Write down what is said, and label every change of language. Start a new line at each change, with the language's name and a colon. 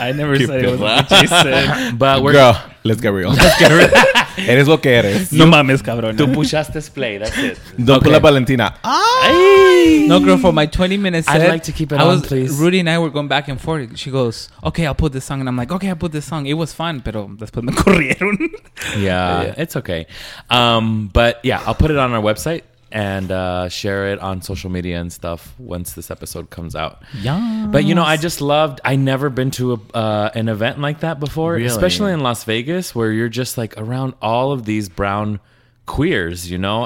English: I never said it was what you said. But we're, girl, let's get real. Let's get real.
Spanish: Eres lo que eres. No mames, cabrón. Tú puchaste play.
English: That's it. Don't pull up Valentina. Ay. No, girl, for my 20-minute set... I'd like to keep it on, please. Rudy and I were going back and forth. She goes, okay, I'll put this song. And I'm like, okay, I'll put this song. It was fun,
Spanish: pero después me corrieron.
English: Yeah, it's okay. But yeah, I'll put it on our website and share it on social media and stuff once this episode comes out. Yeah. But you know, I just loved, I never been to an event like that before, really? Especially in Las Vegas, where you're just like around all of these brown queers, you know?